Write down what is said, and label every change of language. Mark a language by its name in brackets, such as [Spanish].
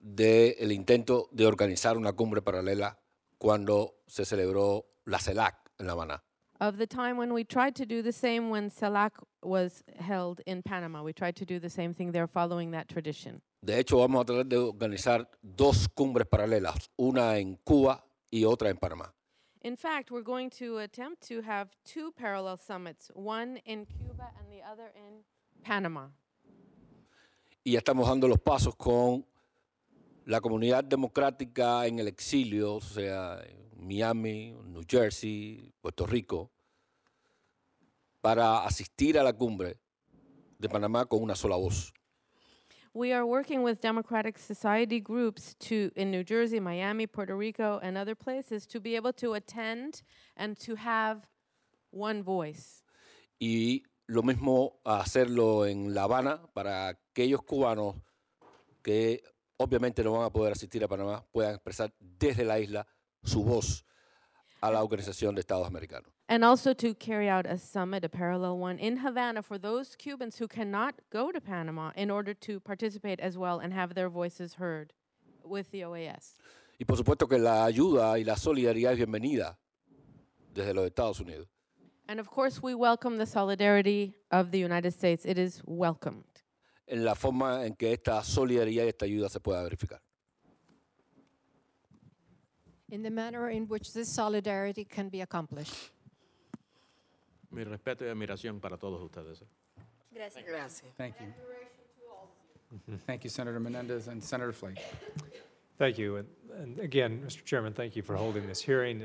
[Spanish] De el intento de organizar una cumbre paralela cuando se celebró la CELAC en La Habana. [English] Of the time when we tried to do the same when CELAC was held in Panama. We tried to do the same thing there following that tradition. [Spanish] De hecho, vamos a tratar de organizar dos cumbres paralelas, una en Cuba y otra en Panamá. [English] In fact, we're going to attempt to have two parallel summits, one in Cuba and the other in Panama. [Spanish] Y estamos dando los pasos con la comunidad democrática en el exilio, o sea, Miami, New Jersey, Puerto Rico, para asistir a la cumbre de Panamá con una sola voz. [English] We are working with democratic society groups in New Jersey, Miami, Puerto Rico, and other places to be able to attend and to have one voice. [Spanish] Y lo mismo hacerlo en La Habana para aquellos cubanos que obviamente no van a poder asistir a Panamá, puedan expresar desde la isla su voz a la Organización de Estados Americanos. [English] And also to carry out a summit, a parallel one, in Havana for those Cubans who cannot go to Panama in order to participate as well and have their voices heard with the OAS. [Spanish] Y por supuesto que la ayuda y la solidaridad es bienvenida desde los Estados Unidos. [English] And of course, we welcome the solidarity of the United States. It is welcomed. [Spanish] En la forma en que esta solidaridad y esta ayuda se pueda verificar. [English] In the manner in which this solidarity can be accomplished. [Spanish] Mi respeto y admiración para todos ustedes. Gracias. Gracias. [English] Thank you. Thank you, Senator Menendez and Senator Flake. Thank you. And again, Mr. Chairman, thank you for holding this hearing.